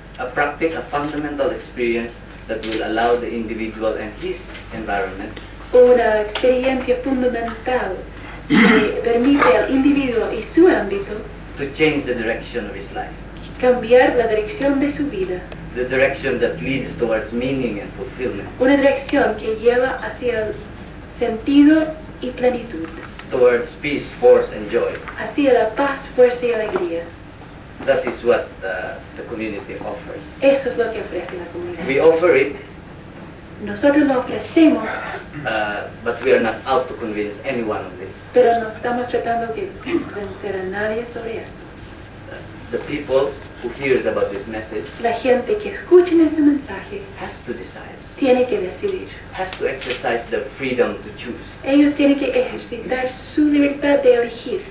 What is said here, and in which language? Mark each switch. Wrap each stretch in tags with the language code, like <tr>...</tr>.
<en>A practice, a fundamental experience that will allow the individual and his environment.</en> <es>Una experiencia fundamental que permite al individuo y su ámbito</es> <en>to change the direction of his life.</en> <es>Cambiar la dirección de su vida.</es> <en>The direction that leads towards meaning and fulfillment.</en> <es>Una dirección que lleva hacia el sentido y plenitud.</es> <en>Towards peace, force and joy.</en> <es>Hacia la paz, fuerza y alegría.</es> <en>That is what the community offers.</en> <es>Eso es lo que ofrece la comunidad.</es> <en>We offer it.</en> <es>Nosotros lo ofrecemos.</es> <en>But we are not out to convince anyone of this.</en> <es>Pero no estamos tratando de convencer a nadie sobre esto.</es> <en>The people who hears about this message.</en> <es>La gente que escucha ese mensaje.</es> <en>Has to decide.</en> <es>Tiene que decidir.</es> <en>Has to exercise their freedom to choose.</en> <es>Ellos tienen que ejercitar su libertad de elegir.</es>